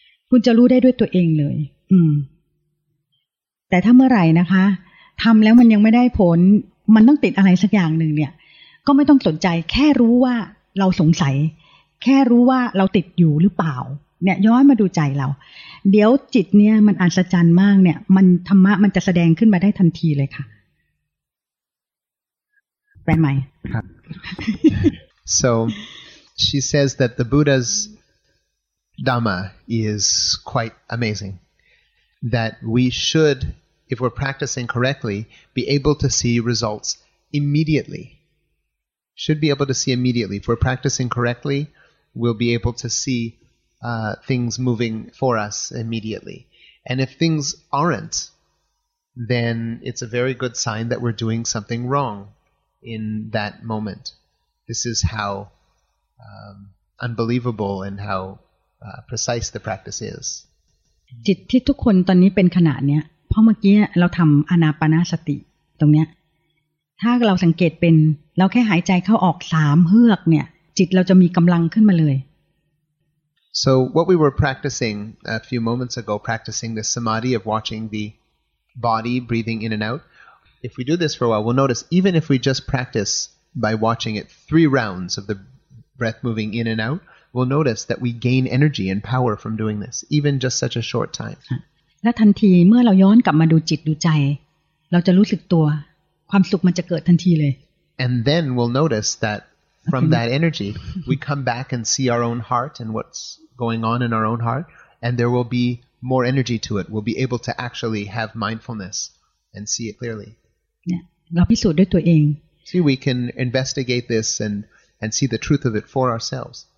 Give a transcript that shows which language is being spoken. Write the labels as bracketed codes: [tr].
[th] คุณจะรู้ได้ด้วยตัวเองเลยแต่ถ้าเมื่อไหร่นะคะทำแล้วมันยังไม่ได้ผลมันต้องติดอะไรสักอย่างหนึ่งเนี่ยก็ไม่ต้องสนใจแค่รู้ว่าเราสงสัยแค่รู้ว่าเราติดอยู่หรือเปล่าเนี่ยย้อนมาดูใจเราเดี๋ยวจิตเนี่ยมันอัศจรรย์มากเนี่ยมันธรรมะมันจะแสดงขึ้นมาได้ทันทีเลยค่ะแปลใหม่ครับ [en] So she says that the Buddha's Dhamma is quite amazing. That we should, if we're practicing correctly, be able to see results immediately. should be able to see immediately. If we're practicing correctly, we'll be able to see things moving for us immediately. And if things aren't, then it's a very good sign that we're doing something wrong in that moment. This is how unbelievable and how precise the practice is. [th] จิตที่ทุกคนตอนนี้เป็นขนาดเนี้ยเพราะเมื่อกี้เราทำอานาปานสติตรงเนี้ยถ้าเราสังเกตเป็นเราแค่หายใจเข้าออก3เฮือกเนี่ยจิตเราจะมีกำลังขึ้นมาเลย [en] So what we were practicing a few moments ago, practicing the samadhi of watching the body breathing in and out. If we do this for a while, we'll notice even if we just practice by watching it 3 rounds of the breath moving in and out, we'll notice that we gain energy and power from doing this, even just such a short time. [th] และทันทีเมื่อเราย้อนกลับมาดูจิตดูใจเราจะรู้สึกตัวความสุขมันจะเกิดทันทีเลย [en] And then we'll notice that from that energy, we come back and see our own heart and what's going on in our own heart, and there will be more energy to it. We'll be able to actually have mindfulness and see it clearly. [th] เราพิสูจน์ด้วยตัวเอง [en] See, we can investigate this and see the truth of it for ourselves.